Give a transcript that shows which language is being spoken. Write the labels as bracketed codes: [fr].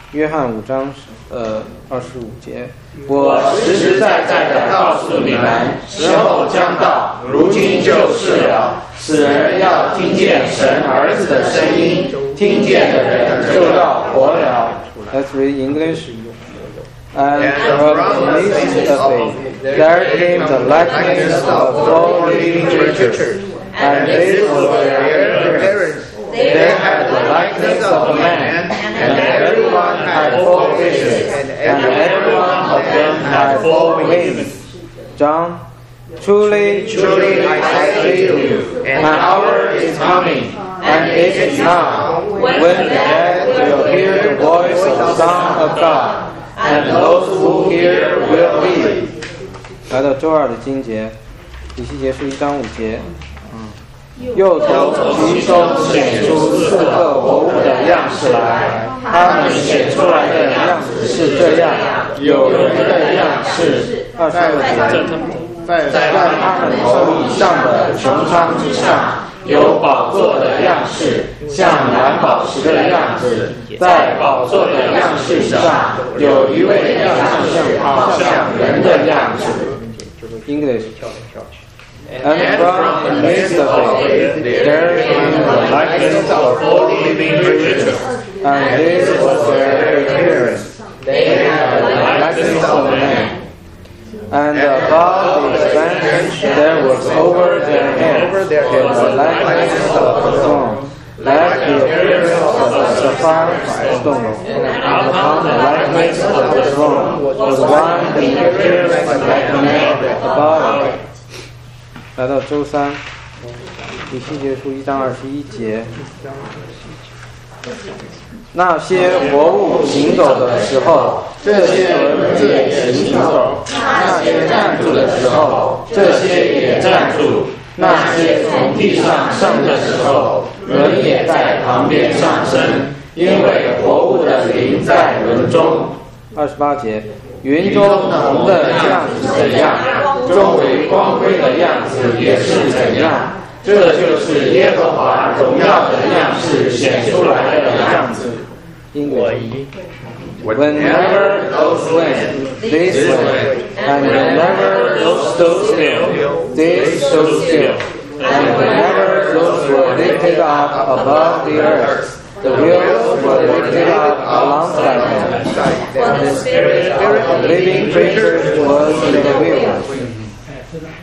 [zh] 约翰五章二十五节，我实实在在的告诉你们，时候将到，如今就是了，使人要听见神儿子的声音，听见的人就要活了。 [en] Let's read English. And from the midst of it, there came the likeness of all living creatures, and they were their appearance. They had the likeness of a man, and everyone had four faces, and everyone of them had four wings. John. Truly, truly, I say to you, an hour is coming, and it is now, when the dead will hear the voice of the Son of God, and those who hear will live. [zh] 来到周二的经节，以西结书一章五节，又从其中显出四个活物的样式来，他们显出来的样子是这样，有人的样式，二十五节。在他们头以上的穹苍之上，有宝座的样式，像蓝宝石的样子。在宝座的样式上，有一位样式像好像人的样子。 [en] English. And from the midst of it, there came the likeness of four living creatures, and this was their appearance. They had the likeness of man. And above the expansion, there was over their heads in the likeness of the throne, like the appearance of a sapphire stone. And upon the likeness of the throne was one the appearance like a man above. [zh] 来到周三，以西结书一章二十一节。那些活物行走的时候，这些轮子也行走；那些站住的时候，这些也站住；那些从地上升的时候，轮也在旁边上升，因为活物的灵在轮中。二十八节，云中红的样子怎样，周围光辉的样子也是怎样。这就是耶和华荣耀的样式显出来的样子。 [en] Whenever those went, this went, and whenever those stood still, this stood still, and whenever those were lifted up above the earth, the wheels were lifted up alongside them, and the spirit of living creatures was in the wheels.